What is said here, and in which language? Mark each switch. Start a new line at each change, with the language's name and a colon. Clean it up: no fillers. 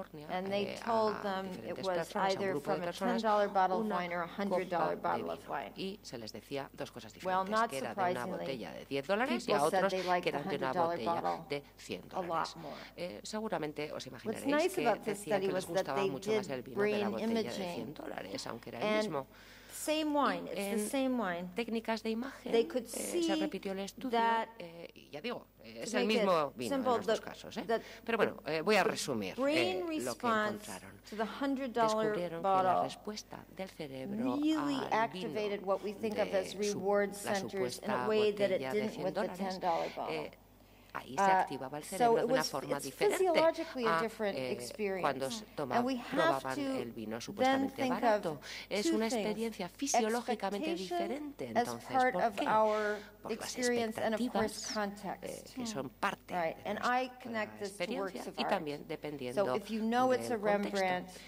English: and they told them it was either from a $10 bottle of wine or a $100 bottle of wine.
Spanish: Y se les decía dos cosas diferentes,
English: well, not surprisingly,
Spanish: que era de una botella de $10 y a otros que eran de una botella de $100. Seguramente os imaginaréis que decían que les gustaba mucho más el vino de la botella de $100, aunque era el mismo.
English: Same wine, it's the same wine.
Spanish: Técnicas de imagen,
English: they could see
Spanish: se repitió el estudio, y ya digo, es el mismo vino en los dos casos. Pero bueno, voy a resumir lo que encontraron. Descubrieron que la respuesta del cerebro
English: really
Spanish: al vino de
English: what we think of as reward centers in a way that it didn't with the $10 bottle.
Spanish: Ahí se activaba el cerebro de una forma diferente a cuando probaban el vino supuestamente barato. Es una experiencia fisiológicamente diferente, entonces, ¿por qué? Por las expectativas, que son parte de nuestra experiencia y también dependiendo del contexto.